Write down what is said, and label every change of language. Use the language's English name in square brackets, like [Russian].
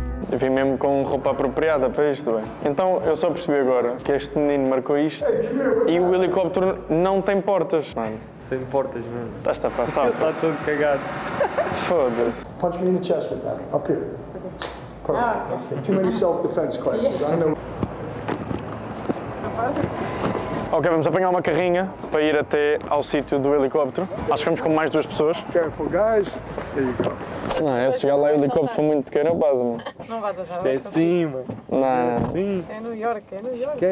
[Portuguese] Eu vim mesmo com roupa apropriada para isto, bem. Então eu só percebi agora que este menino marcou isto e o helicóptero não tem portas, mano. Sem portas mesmo. Estás-te a passar. Está tudo cagado. Foda-se. [English] Punch me in the chest with that. Up here. Okay. Perfect. Ah. Okay. Too many self-defense classes. Yeah. I know. [Portuguese] Ok, vamos apanhar uma carrinha para ir até ao sítio do helicóptero. Acho que vamos com mais duas pessoas. [English] Careful, guys. [Portuguese] Não, é se chegar lá e o helicóptero foi muito pequeno, eu passo, mano. Não vas já. É sim, mano. Não, não. É New York, é New York.